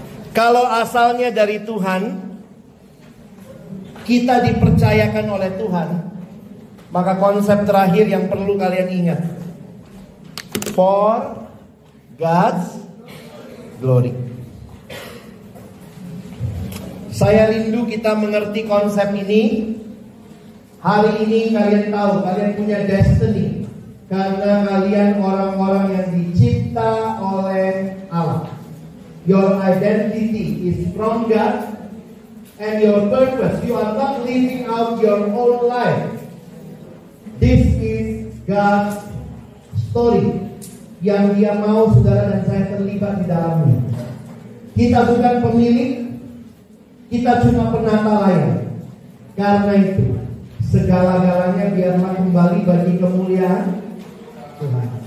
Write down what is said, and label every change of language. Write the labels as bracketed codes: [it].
[id] Kalau asalnya dari Tuhan, kita dipercayakan oleh Tuhan, maka konsep terakhir yang perlu kalian ingat, [en] for God's glory. [id] Saya rindu kita mengerti konsep ini. Hari ini kalian tahu, kalian punya destiny karena kalian orang-orang yang dicipta oleh Allah. [en] Your identity is from God and your purpose. You are not living out your own life. This is God's story [id] yang dia mau saudara dan saya terlibat di dalamnya. Kita bukan pemilik, kita cuma penata layar. Karena itu, segala-galanya biarlah kembali bagi kemuliaan Tuhan.